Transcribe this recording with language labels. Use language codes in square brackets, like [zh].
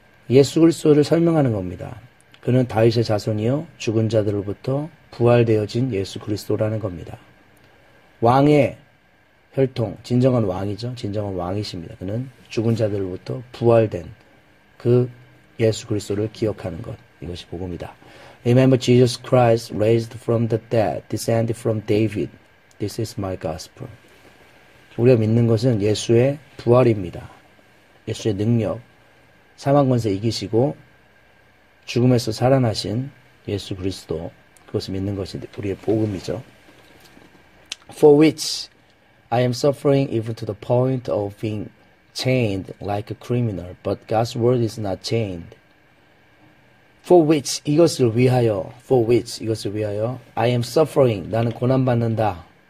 [ko] 예수 그리스도를 설명하는 겁니다. 그는 다윗의 자손이요 죽은 자들로부터 부활되어진 예수 그리스도라는 겁니다. 왕의 혈통, 진정한 왕이죠. 진정한 왕이십니다. 그는 죽은 자들로부터 부활된 그 예수 그리스도를 기억하는 것. 이것이 복음이다. [en] Remember Jesus Christ raised from the dead, descended from David. This is my gospel. [ko] 우리가 믿는 것은 예수의 부활입니다. 예수의 능력. 사망 권세 이기시고 죽음에서 살아나신 예수 그리스도. 그것을 믿는 것이 우리의 복음이죠. [en] For which I am suffering even to the point of being chained like a criminal, but God's word is not chained. For which, [ko] 이것을 위하여, [en] for which, 이것을 위하여, I am suffering, [ko] 나는 고난받는다.